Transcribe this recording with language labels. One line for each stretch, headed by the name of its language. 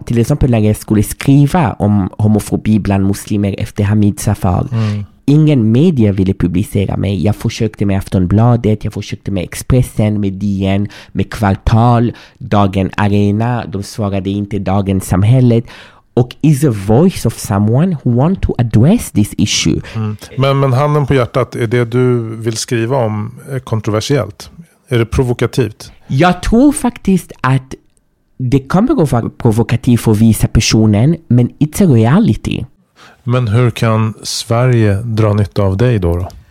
Swedish: Till exempel när jag skulle skriva om homofobi bland muslimer efter Hamid Zafar. Mm. Ingen media ville publicera mig. Jag försökte med Aftonbladet, jag försökte med Expressen, med DN, med Kvartal, Dagen Arena. De svarade inte Dagens Samhället. Och
English: is a voice of someone who want to address this issue.
Swedish: Mm. Men handen på hjärtat, är det du vill skriva om kontroversiellt? Är det provokativt? Jag tror faktiskt att det kommer att vara provokativt för vissa personer, men
English: it's a reality.
Swedish: Men hur kan Sverige dra nytta av dig då?